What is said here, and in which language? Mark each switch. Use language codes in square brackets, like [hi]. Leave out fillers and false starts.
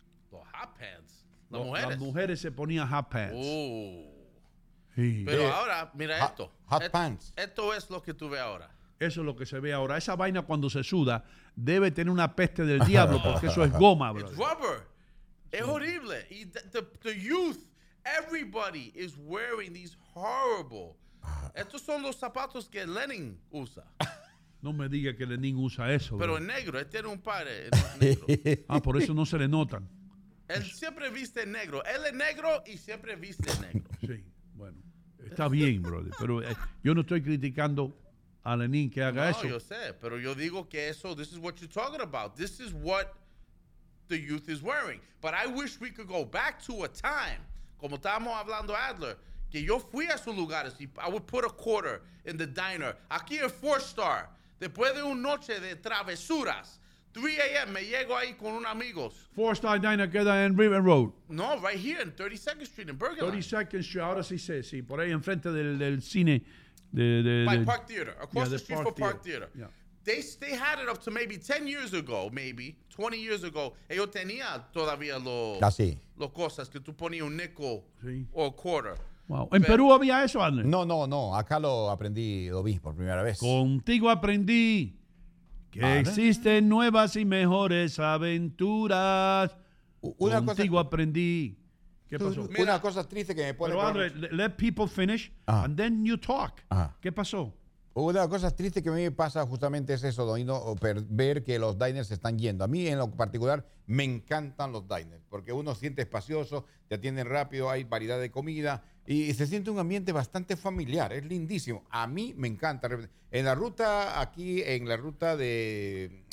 [es] ¿Los hot pants? ¿Las mujeres? Las mujeres se ponían hot pants. Sí. Pero ahora, mira esto. Hot pants. Esto es lo que tú ves ahora. Eso es lo que se ve ahora. Esa vaina cuando se suda debe tener una peste del diablo porque eso es goma, bro. [en] It's rubber. [es] Es horrible. [en] Y the youth, everybody is wearing these horrible. [es] Estos son los zapatos que Lenin usa. No me diga que Lenin usa eso. Pero en negro, él tiene un par en negro. Ah, por eso no se le notan. Él siempre viste en negro. Él es negro y siempre viste en negro. Sí, bueno. Está bien, brother. Pero yo no estoy criticando a Lenin que haga eso. No, yo sé. Pero yo digo que eso, [en] this is what you're talking about. This is what the youth is wearing. But I wish we could go back to a time, [es] como estábamos hablando Adler, que yo fui a esos lugares y [en] I would put a quarter in the diner. [es] Aquí en Four Star, después de una noche de travesuras, 3 a.m., me llego ahí con un amigos. Four Star Diner queda en River Road. [en] No, right here in 32nd Street in Bergen. [es] 32nd Street, ahora sí sé, sí, por ahí enfrente del cine. [en] By Park Theater, across the street from Park Theater. Yeah. They had it up to maybe 10 years ago, maybe 20 years ago. [es] Ellos tenía todavía los cosas que tú ponías un nickel, sí, o quarter. Wow. ¿En Perú había eso, Adler? No. Acá lo vi por primera vez. Contigo aprendí que existen nuevas y mejores aventuras. Aprendí. ¿Qué pasó? Mira, una cosa triste que me pone. [en] Pero Adler, let people finish and then you talk. [es] Ajá. ¿Qué pasó? Una cosa triste que a mí me pasa justamente es eso, Don Ino, ver que los diners se están yendo. A mí en lo particular me encantan los diners porque uno se siente espacioso, te atienden rápido, hay variedad de comida y se siente un ambiente bastante familiar, es lindísimo. A mí me encanta. En la ruta aquí, en la ruta de